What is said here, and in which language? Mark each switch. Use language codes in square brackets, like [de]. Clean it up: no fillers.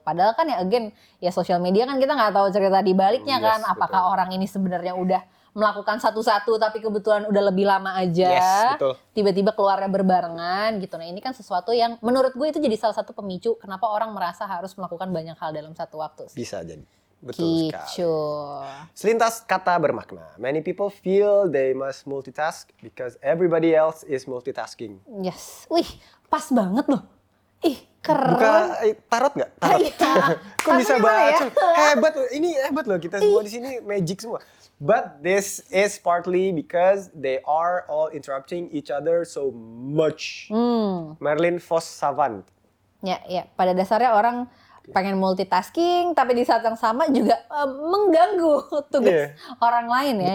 [id] Padahal kan ya again ya sosial media kan kita nggak tahu cerita di baliknya kan. Apakah orang ini sebenarnya udah melakukan satu-satu tapi kebetulan udah lebih lama aja, tiba-tiba keluarnya berbarengan gitu. Nah ini kan sesuatu yang menurut gue itu jadi salah satu pemicu kenapa orang merasa harus melakukan banyak hal dalam satu waktu. Bisa jadi, betul sekali. Selintas kata bermakna, [en] many people feel they must multitask because everybody else is multitasking. [id] Yes, wih pas banget loh. Ih keren. Buka tarot nggak? Tarot. Kok bisa baca? Hebat, ini hebat loh kita semua di sini, magic semua. [en] But this is partly because they are all interrupting each other so much. Marilyn Vos Savant. [id] Ya, pada dasarnya orang pengen multitasking tapi di saat yang sama juga mengganggu tugas orang lain ya.